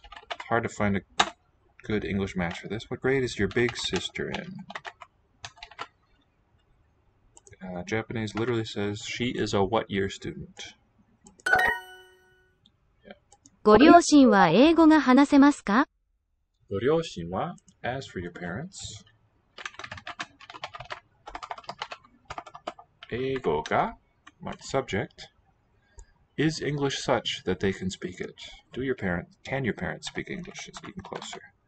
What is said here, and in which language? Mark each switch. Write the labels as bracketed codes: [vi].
[en] It's hard to find a good English match for this. What grade is your big sister in? Japanese literally says, she is a what year student? [ja] ご両親は英語が話せますか？ご両親は、 [en] as for your parents, [ja] 英語が、 [en] my subject, is English such that they can speak it? Do your parents, can your parents speak English? It's even closer.